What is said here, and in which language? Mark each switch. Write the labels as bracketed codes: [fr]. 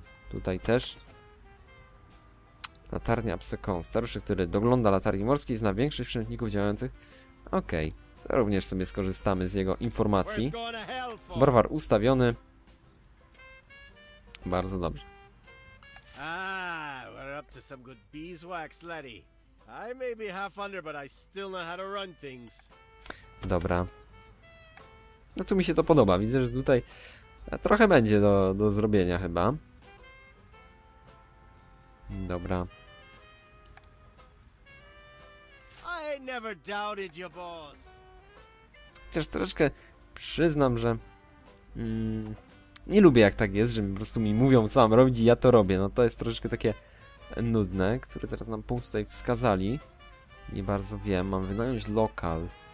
[pl] Tutaj też. Latarnia Absecon. Starszy, który dogląda latarni morskiej, zna większość przemytników działających. Okej, okay. To również sobie skorzystamy z jego informacji. Browar ustawiony. Bardzo dobrze. [en] We're up to some good beeswax, Letty. I may be half under, but I still know how to run things. [pl] Dobra. No tu mi się to podoba. Widzę, że tutaj trochę będzie do zrobienia chyba. Dobra. [en] I never doubted your boss. [pl] Chociaż troszeczkę przyznam, że nie lubię, jak tak jest, że mi po prostu mi mówią, co mam robić i ja to robię. No to jest troszeczkę takie nudne, które teraz nam punkt tutaj wskazali. Nie bardzo wiem, mam wynająć lokal.